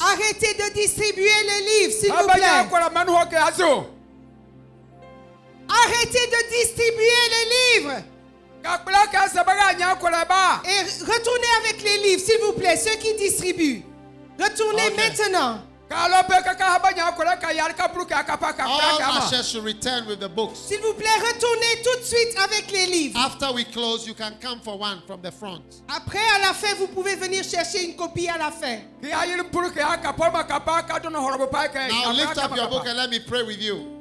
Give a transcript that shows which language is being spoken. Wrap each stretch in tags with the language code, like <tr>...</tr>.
<fr>Arrêtez de distribuer les livres, s'il vous plaît. Arrêtez de distribuer les livres. Et retournez avec les livres, s'il vous plaît, ceux qui distribuent. Retournez maintenant.</fr> <en>All ushers should return with the books.</en> <fr>S'il vous plaît, retournez tout de suite avec les livres.</fr> <en>After we close, you can come for one from the front.</en> <fr>Après, à la fin, vous pouvez venir chercher une copie à la fin.</fr> <en>Now lift up your book and let me pray with you.</en>